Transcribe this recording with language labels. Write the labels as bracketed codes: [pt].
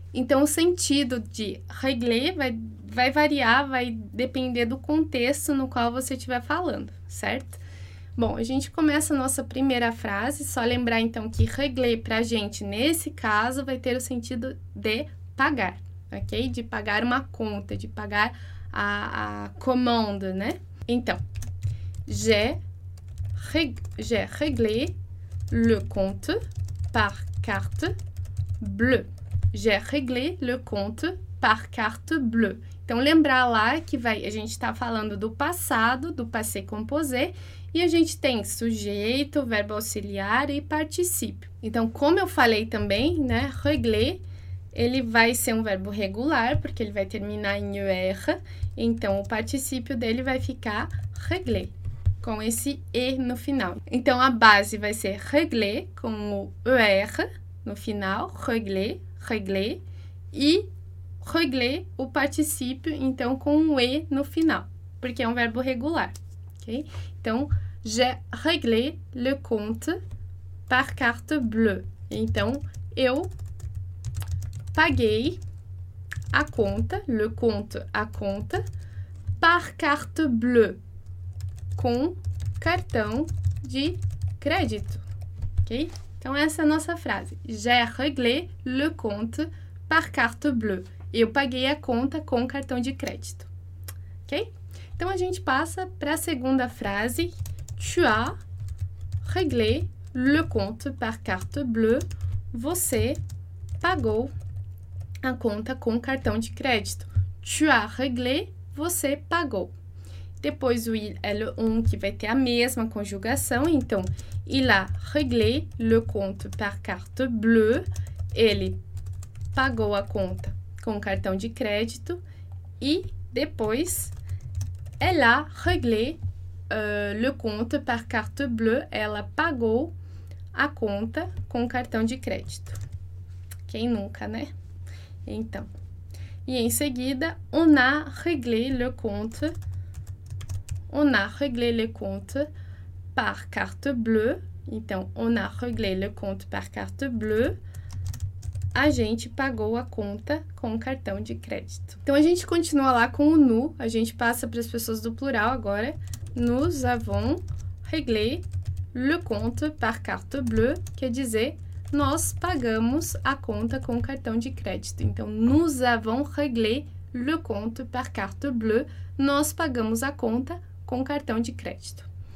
[pt] Então, o sentido de régler vai variar, vai depender do contexto no qual você estiver falando, certo? Bom, a gente começa a nossa primeira frase. Só lembrar então que régler para a gente nesse caso vai ter o sentido de pagar, ok? De pagar uma conta, de pagar a commande, né? [fr] Então, j'ai réglé le compte par carte bleue. J'ai réglé le compte par carte bleue. [pt] Então, lembrar lá que a gente está falando do passado, do passé composé, e a gente tem sujeito, verbo auxiliar e particípio. Então, como eu falei também, né, régler, ele vai ser um verbo regular, porque ele vai terminar em er, então o particípio dele vai ficar régler, com esse e no final. Então, a base vai ser régler, com o er no final, régler, régler, e régler o particípio, então, com um e no final, porque é um verbo regular, ok? [fr] Então, j'ai réglé le compte par carte bleue. [pt] Então, eu paguei a conta, [fr] le compte, [pt] a conta, [fr] par carte bleue, [pt] com cartão de crédito, ok? Então, essa é a nossa frase. [fr] J'ai réglé le compte par carte bleue. [pt] Eu paguei a conta com cartão de crédito. Ok? Então a gente passa para a segunda frase. [fr] Tu as réglé le compte par carte bleue. [pt] Você pagou a conta com cartão de crédito. [fr] Tu as réglé, [pt] você pagou. Depois o il é um que vai ter a mesma conjugação. [fr] Então, il a réglé le compte par carte bleue. [pt] Ele pagou a conta com cartão de crédito e depois ela [fr] réglé le compte par carte bleue, [pt] ela pagou a conta com cartão de crédito. Quem nunca, né? Então. [fr] E em seguida, on a réglé le compte par carte bleue. Então, on a réglé le compte par carte bleue. [pt] A gente pagou a conta com cartão de crédito. Então a gente continua lá com o nous, a gente passa para as pessoas do plural agora. [fr] Nous avons réglé le compte par carte bleue, [pt] quer dizer, nós pagamos a conta com cartão de crédito. Então, [fr] nous avons réglé le compte par carte bleue, [pt] nós pagamos a conta com cartão de crédito.